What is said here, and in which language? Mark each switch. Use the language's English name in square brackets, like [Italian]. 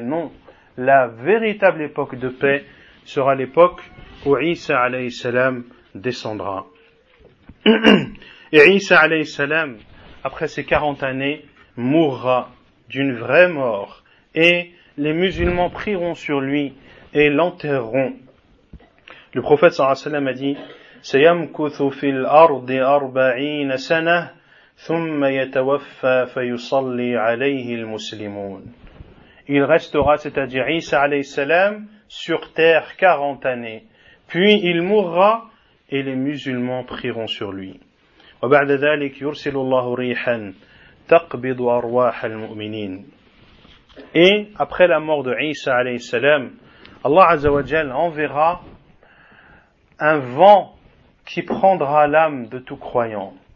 [French] Non, la véritable époque de paix sera l'époque où Isa alayhi salam descendra. Et Isa alayhi salam, après ses 40 années, mourra d'une vraie mort. Et les musulmans prieront sur lui et l'enterreront. Le prophète sallallahu alayhi wa sallam a dit: [Arabic] سَيَمْكُثُ فِي الْأَرْضِ أَرْبَعِينَ سَنَةً ثُمَّ يَتَوَفَّى فَيُصَلِّي عَلَيْهِ الْمُسْلِمُونَ. [French] Il restera, c'est-à-dire Isa alayhi salam, sur terre 40 années. Puis il mourra et les musulmans prieront sur lui. [Arabic] وَبَعْدَ ذَلِكَ يُرْسِلُ اللَّهُ رِيحًا تَقْبِضُ أَرْوَاحَ الْمُؤْمِنِينَ. [French] Et après la mort de Isa alayhi salam, Allah Azza wa Jal enverra un vent qui prendra l'âme de tout croyant.